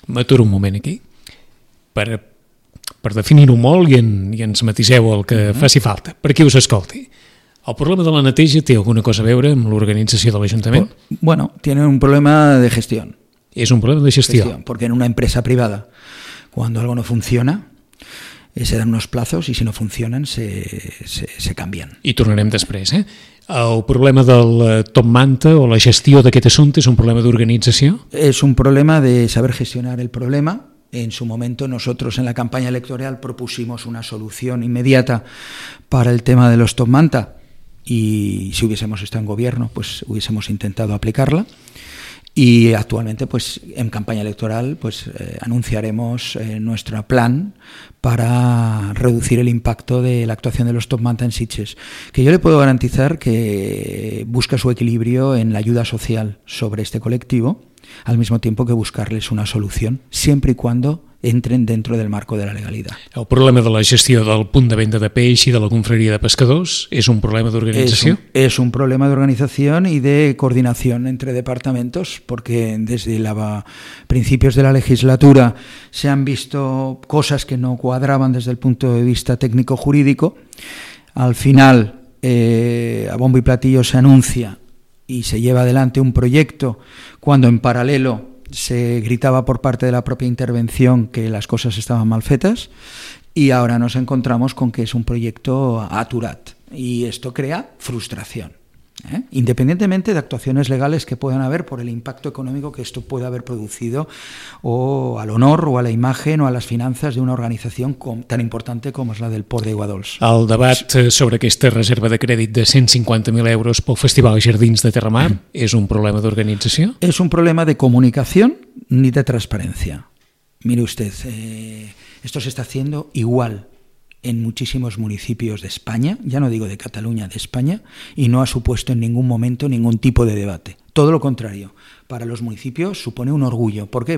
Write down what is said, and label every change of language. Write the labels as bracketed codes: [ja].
[ca] M'aturo un moment aquí per definir-ho molt i ens matiseu el que faci falta. Per qui us escolti? El problema de la neteja té alguna cosa a veure amb l'organització de l'ajuntament? [es] Bueno, tiene un problema de gestión. [ca] És un problema de gestió. [es] Porque en una empresa privada, cuando algo no funciona, se dan unos plazos y si no funcionan, se cambian. [ca] I tornarem després. El problema del top manta o la gestió d'aquest assumpte és un problema d'organització? És un problema de saber gestionar el problema. [es] En su momento nosotros en la campaña electoral propusimos una solución inmediata para el tema de los top manta y si hubiésemos estado en gobierno, pues hubiésemos intentado aplicarla. Y actualmente, pues en campaña electoral, pues anunciaremos nuestro plan para reducir el impacto de la actuación de los top mountain sitches, que yo le puedo garantizar que busca su equilibrio en la ayuda social sobre este colectivo, al mismo tiempo que buscarles una solución, siempre y cuando entren dentro del marco de la legalidad. [ca] El problema de la gestió del punt de venda de peix i de la confraria de pescadors és un problema d'organització? És un problema d'organització i de coordinació entre departaments, perquè des de principis de la legislatura [es] se han visto [ca] coses que no quadraven des del punt de vista tècnico-jurídic. [es] Al final, a bombo i platillo se anuncia i se lleva adelante un projecte [ca] quan en paral·lel [es] se gritaba por parte de la propia intervención que las cosas estaban mal fetas y ahora nos encontramos con que es un proyecto aturat y esto crea frustración, ¿eh? Independientemente de actuaciones legales que puedan haber por el impacto económico que esto puede haber producido o al honor o a la imagen o a las finanzas de una organización tan importante como es la del Port de Guadols. [ca] El debat sobre aquesta reserva de crèdit de 150.000 euros pel Festival Jardins de Terramar és un problema d'organització? És un problema de comunicació ni de transparència. [es] Mire usted, esto se está haciendo igual en muchísimos municipios de España, ya no digo de Cataluña, de España, y no ha supuesto en ningún momento ningún tipo de debate. Todo lo contrario, para los municipios supone un orgullo. ¿Por qué?